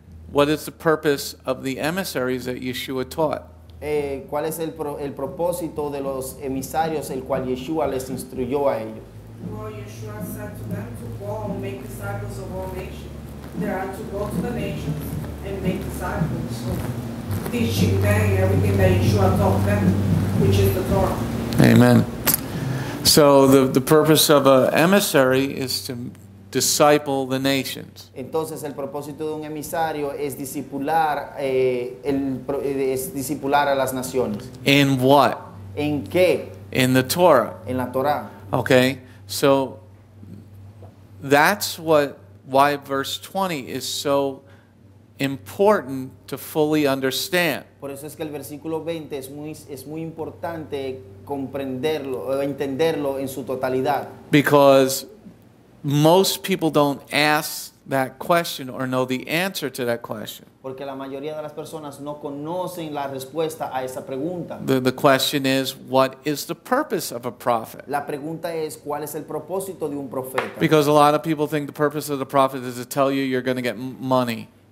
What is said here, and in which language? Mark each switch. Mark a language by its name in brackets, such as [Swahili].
[English] What is the purpose of the emissaries that Yeshua taught? [Spanish] ¿Cuál es el propósito de los emisarios el cual Yeshua les instruyó a ellos? [English] Well, Yeshua said to them to go and make disciples of all nations. They are to go to the nations and make disciples. So, teaching them everything that Yeshua taught them, which is the Torah. Amen. So the purpose of an emissary is to disciple the nations. [Spanish] Entonces el propósito de un emisario es discipular es discipular a las naciones. [English] In what? [Spanish] ¿En qué? [English] In the Torah. [Spanish] En la Torah. [English] Okay. So that's why verse 20 is so important to fully understand. [Spanish] Por eso es que el versículo 20 es muy importante comprenderlo o entenderlo en su totalidad. [English] Because most people don't ask that question or know the answer to that question. [Spanish] Porque la mayoría de las personas no conocen la respuesta a esa pregunta. [English] The question is, what is the purpose of a prophet? [Spanish] La pregunta es, ¿cuál es el propósito de un profeta? [English] Because a lot of people think the purpose of the prophet is to tell you you're going to get money.